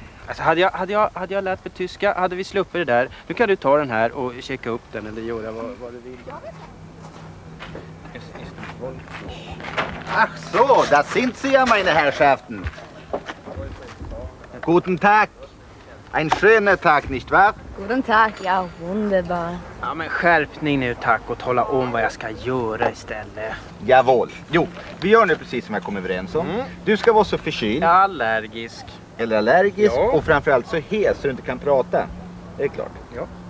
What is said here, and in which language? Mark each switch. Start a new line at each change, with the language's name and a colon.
Swedish: Alltså, hade jag lärt mig tyska, hade vi sluppit det där. Nu kan du ta den här och checka upp den eller göra vad du vill.
German: Ach so, da sind Sie ja, meine Herrschaften. Guten Tag. Ein schöner Tag, nicht wahr? Guten Tag, ja, wunderbar.
Swedish: Ja, men skärpning nu, tack, och tala om vad jag ska göra istället.
German: Jawohl.
Swedish: Jo, vi gör nu precis som jag kom överens om. Du ska vara så förkyld. Allergisk. Eller allergisk, ja. Och framförallt så hes så du inte kan prata. Det är klart. Ja.